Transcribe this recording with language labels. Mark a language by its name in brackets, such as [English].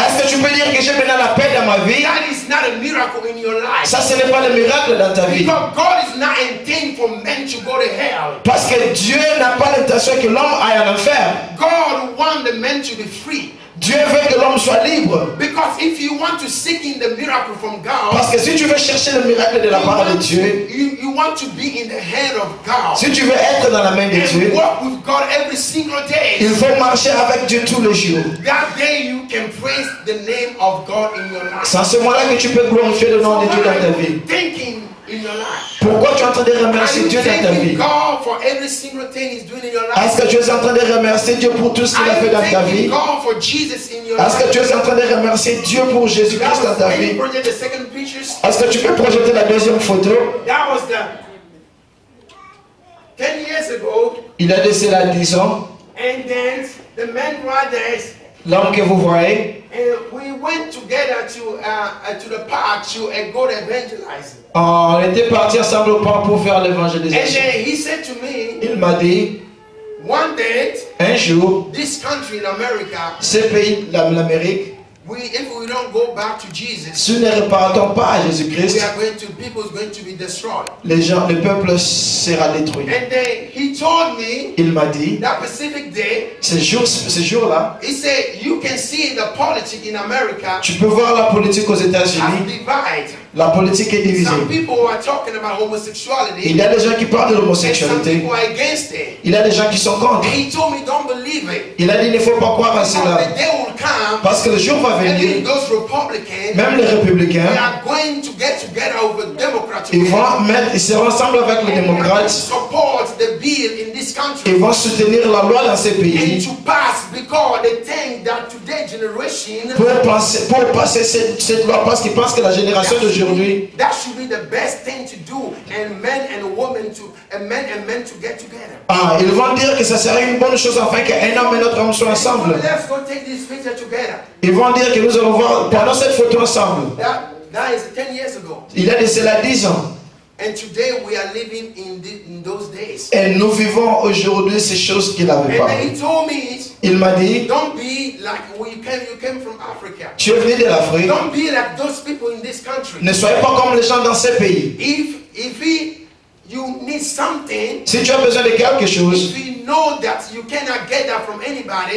[French] Est-ce que tu peux dire que j'ai maintenant la paix dans ma vie? [English] That is not a miracle. In your life. [French] Ça, ce n'est pas le miracle dans ta vie. [English] Because God is not intending for men to go to hell. [French] Parce que Dieu n'a pas l'intention que l'homme aille en enfer. [English] God wants the men to be free. [French] Dieu veut que l'homme soit libre. [English] Because if you want to seek in the miracle from God, [French] parce que si tu veux chercher le miracle de la part de Dieu, [English] you want to be in the hand of God. [French] Si tu veux être dans la main de Dieu, [English] walk with God every single day. [French] Il faut marcher avec Dieu tous les jours. [English] That day you can praise the name of God in your life. [French] C'est à ce moment-là que tu peux glorifier le nom de Dieu dans ta vie. [English] Thinking in your life. [French] Pourquoi tu es en train de remercier Dieu dans ta vie? [English] God for every single thing he's doing in your life? [French] Est-ce que tu es en train de remercier Dieu pour tout ce qu'il a fait dans ta vie? [English] God for Jesus in your life? [French] Est-ce que tu es en train de remercier Dieu pour Jésus-Christ dans ta vie? Est-ce que tu peux projeter la deuxième photo? [English] That was the 10 years ago. [French] Il a décédé il y a 10 ans. [English] And then the men brothers. [French] L'homme que vous voyez. [English] We went together to the park to go evangelize. [French] Oh, on était partis ensemble au parc pour faire l'évangélisation. [English] And then he said to me, [French] il m'a dit, [English] one day, [French] Un jour, [English] this country in America, [French] ce pays, l'Amérique, [English] we, if we don't go back to Jesus, [French] si nous ne repartons pas à Jésus-Christ, le peuple sera détruit. [English] And they, he told me, [French] il m'a dit, [English] that specific day, [French] ce jour-là, [English] he said, you can see the politics in America, [French] tu peux voir la politique aux États-Unis. La politique est divisée. [English] Some people are talking about homosexuality, [French] il y a des gens qui parlent de l'homosexualité. [English] Some people are against it. [French] Il y a des gens qui sont contre. [English] He told me, don't believe it. [French] Il a dit, il ne faut pas croire à cela. [English] The day will come, [French] parce que le jour va venir, [English] those Republicans, [French] même les républicains, [English] they are going to get together with the Democrats, [French] ils se rassemblent avec les démocrates. [English] Support the bill in this country, [French] ils vont soutenir la loi dans ces pays. [English] And to pass, because they think that today generation, [French] pour passer cette loi, parce qu'ils pensent que la génération de [English] that should be the best thing to do, and men and women to, and men and men to get together. [French] Ah, ils vont dire que ça serait une bonne chose afin qu'un homme et un autre homme soient ensemble. [English] Let's go take this picture together. [French] Ils vont dire que nous allons voir pendant cette photo ensemble. [English] That is 10 years ago. [French] Il y a de cela 10 ans. [English] And today we are living in those days. [French] Et nous vivons aujourd'hui ces choses qu'il avait parlé. [English] And he told me, [French] il m'a dit, [English] don't be like when you came from Africa. [French] Tu es venu de l'Afrique. [English] Don't be like those people in this country. [French] Ne soyez pas comme les gens dans ces pays. [English] You need something. [French] Si tu as besoin de quelque chose, [English] if you know that you cannot get that from anybody,